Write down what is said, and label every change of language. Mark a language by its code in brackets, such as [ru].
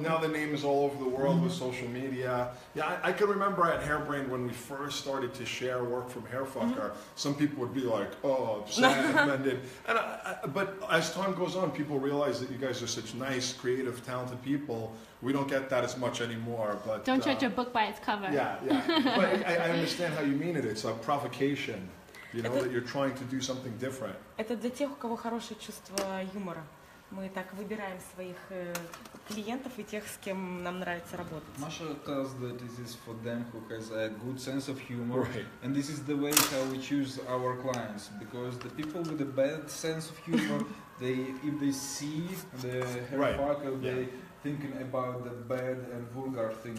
[en] Now the name is all over the world with social media. Yeah, I can remember at Hairbrained when we first started to share work from Hairfucker, some people would be like, oh, segmented. And but as time goes on, people realize that you guys are such nice, creative, talented people. We don't get that as much anymore, but don't judge a book by its cover. Yeah. But I understand how you mean it. It's a provocation. You know, that you're trying to do something different. [ru] Это для тех, у кого хорошее чувство юмора. Мы так выбираем своих клиентов и тех, с кем нам нравится работать. [en] Masha tells that this is for them who has a good sense of humor. Right. And this is the way how we choose our clients. Because the people with a bad sense of humor, they if they see the hair right. Parker, yeah. they thinking about the bad and vulgar things.